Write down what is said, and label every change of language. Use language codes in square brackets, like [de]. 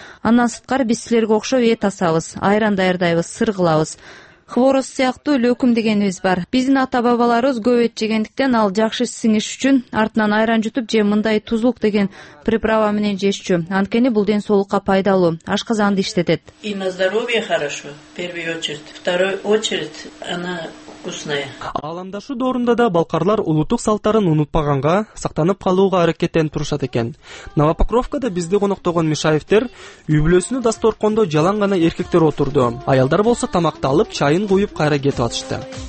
[ky] Андан сырткары биз силерге окшоп эт асабыз, айран даярдайбыз, сыр кылабыз. Хворос сыяктуу лөкүм дегенибиз бар. Биздин ата-бабаларыбыз көп эт жегендиктен ал жакшы сиңиш үчүн артынан айран жутуп же мындай тузлук деген приправа менен жешчү. Анткени бул ден соолукка пайдалуу, ашказанды иштетет. [ru] И на здоровье хорошо, первый очередь. Второй очередь, она вкусная. [ky] Ааламдашуу доорунда да балкарлар улуттук салттарын унутпаганга, сактанып калууга аракеттен турушат экен. Новопокровкада бизди коноктогон Мишаевтер үй-бүлөсүнө дасторкондо жалаң гана эркектер отурду. Аялдар болсо тамакты алып, чайын куюп кайра кетип атышты.